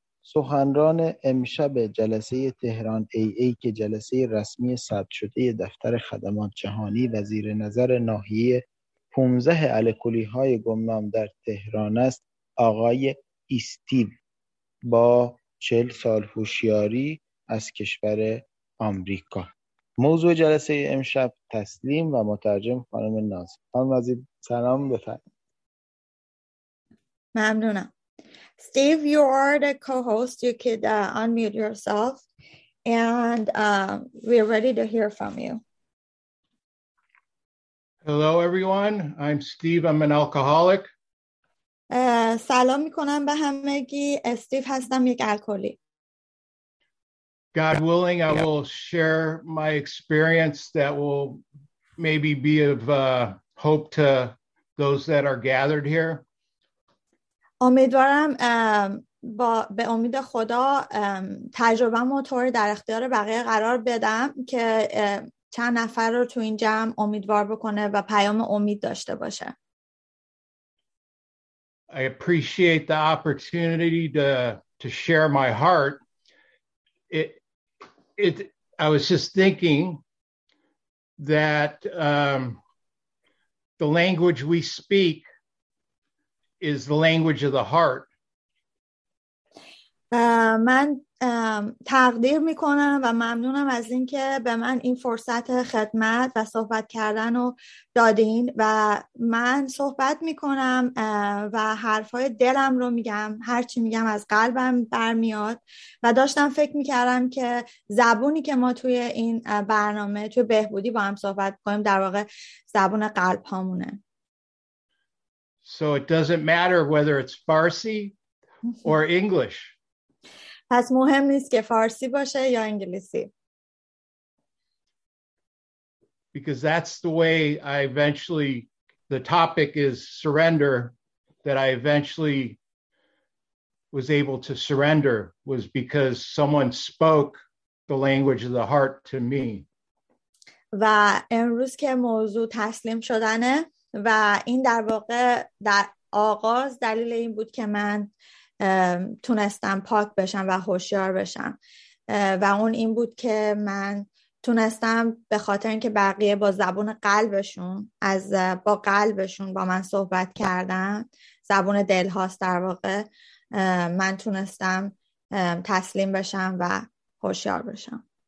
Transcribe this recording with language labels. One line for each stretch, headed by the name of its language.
Persian: سخنران امشب جلسه تهران ای که جلسه رسمی ثبت شده دفتر خدمات جهانی و زیر نظر ناحیه 15 الکلی های گمنام در تهران است، آقای استیو با 40 سال هوشیاری از کشور آمریکا. موضوع جلسه امشب تسلیم و مترجم خانم ناظم. خانم ناظم سلام، بفرمایید. ممنونم.
English: Steve, you are the co-host. You could unmute yourself, and we're ready to hear from you. Hello, everyone. I'm Steve. I'm an alcoholic.
Persian: سلام میکنم به همگی. استیو هستم، یک الکلی.
English: God willing, I will share my experience that will maybe be of hope to those that are gathered here.
Persian: امیدوارم با به امید خدا تجربه‌مو طور در اختیار بقیه قرار بدم که چند نفر رو تو این جمع امیدوار بکنه و پیام امید داشته باشه.
English: I appreciate the opportunity to share my heart. I was just thinking that the language we speak is the language of the heart.
Persian: من تقدیر میکنم و ممنونم از اینکه به من این فرصت خدمت و صحبت کردن رو دادین و من صحبت میکنم و حرفای دلم رو میگم، هر چی میگم از قلبم برمیاد و داشتم فکر میکردم که زبونی که ما توی این برنامه توی بهبودی با هم صحبت کنیم در واقع زبون قلب هامونه.
English: So it doesn't matter whether it's Farsi or English.
Persian: پس مهم نیست که فارسی باشه یا انگلیسی.
English: Because that's the way I eventually, the topic is surrender, that I eventually was able to surrender was because someone spoke the language of the heart to me.
Persian: و امروز که موضوع تسلیم شدنه و این در واقع در آغاز دلیل این بود که من تونستم پاک بشم و هوشیار بشم و اون این بود که من تونستم به خاطر اینکه بقیه با زبون قلبشون با قلبشون با من صحبت کردن، زبون دل هاست در واقع، من تونستم تسلیم بشم و هوشیار بشم.